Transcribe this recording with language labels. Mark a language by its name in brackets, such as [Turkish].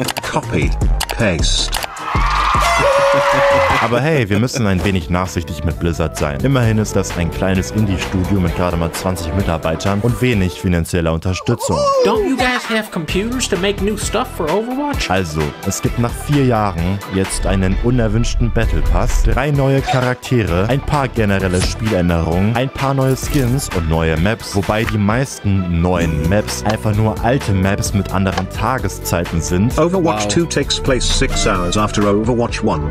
[English] Copy, paste. [German] Aber hey, wir müssen ein wenig nachsichtig mit Blizzard sein. Immerhin ist das ein kleines Indie-Studio mit gerade mal 20 Mitarbeitern und wenig finanzieller Unterstützung. [English] Don't you guys have computers to make new stuff for Overwatch? [German] Also, es gibt nach 4 Jahren jetzt einen unerwünschten Battle Pass, 3 neue Charaktere, ein paar generelle Spieländerungen, ein paar neue Skins und neue Maps, wobei die meisten neuen Maps einfach nur alte Maps mit anderen Tageszeiten sind. [English] Overwatch 2 takes place 6 hours after Overwatch 1.